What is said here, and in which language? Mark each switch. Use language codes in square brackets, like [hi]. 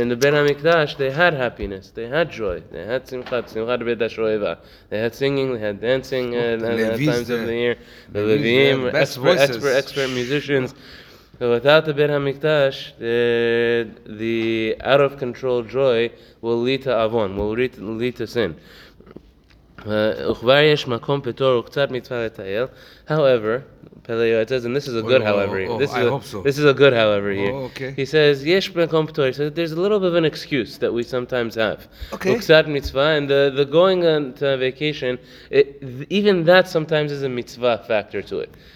[en] In the Beit HaMikdash, they had happiness, they had joy, they had Simchat, Simchat Beit HaShoeva. They had singing, they had dancing at times of the year. The Levim, expert musicians. So without the Beit HaMikdash, the out of control joy will lead to Avon, will lead to sin. [he] וכבר יש מקום פטור וקצת מצווה לטייל. [en] However, Pele Yoetz says, and this is a good however here. This is a good however here. Okay. He says, [he] יש מקום פטור. [en] He says, there's a little bit of an excuse that we sometimes have. Okay. [he] וקצת מצווה, [en] and the going on to a vacation, even that sometimes is a mitzvah factor to it.